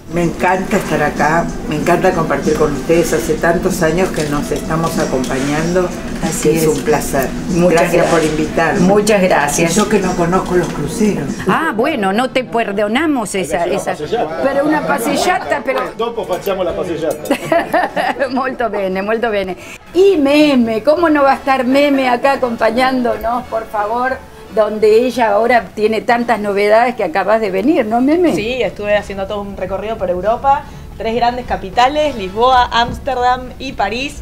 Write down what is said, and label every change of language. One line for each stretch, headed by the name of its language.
Spanish: Me encanta estar acá, me encanta compartir con ustedes. Hace tantos años que nos estamos acompañando. Así es. Es un placer. Muchas gracias por invitarme. Muchas gracias. Yo que no conozco los cruceros. Ah, bueno, no te perdonamos esa pero una pasillata, pero...
Italian: Dopo facciamos la pasillata. Molto bene.
Spanish: Y Meme, ¿cómo no va a estar Meme acá acompañándonos, por favor? Donde ella ahora tiene tantas novedades que acabas de venir, ¿no, Meme? Sí, estuve haciendo todo un recorrido por Europa, tres grandes capitales, Lisboa, Ámsterdam y París.